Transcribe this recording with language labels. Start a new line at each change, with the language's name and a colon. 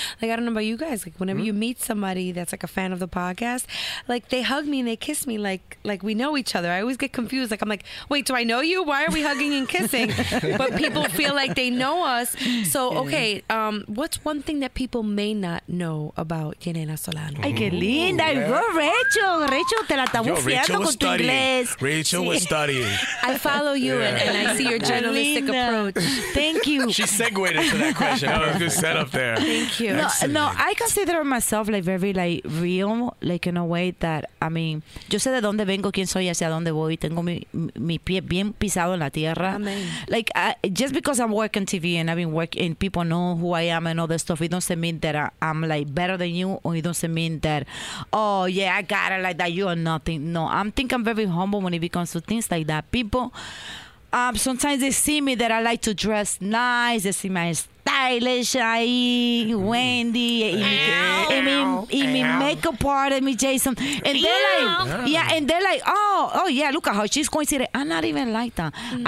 English: Like, I don't know about you guys, like whenever you meet somebody that's like a fan of the podcast, like they hug me and they kiss me like we know each other. I always get confused. Like, I'm like, wait, do I know you? Why are we hugging and kissing? But people feel like they know us. So, okay, what's one thing that people may not know about Gelena Solano?
Spanish: Ay, qué linda. llegó Rachel. Rachel te la está bufiando con tu inglés.
English: Rachel was studying. I follow you and I see your journalistic approach. Thank you. She segued into that question. That was a good setup there. Thank you. No, I consider myself like very like real, like in a way that, I mean,
Spanish: yo sé de dónde vengo, quién soy, hacia dónde voy. Tengo mi pie bien pisado en la tierra.
English: Amen. Like, just because I'm working TV and I've been working, people know who I am and all this stuff, it doesn't mean that I'm like better than you, or it doesn't mean that, oh yeah, I got it like that, you are nothing. No, I think I'm very humble when it comes to things like that. People, sometimes they see me that I like to dress nice, they see my stylish, Wendy, makeup artist, me Jason, and they're like, look at her, she's going to see that. I'm not even like that. Mm.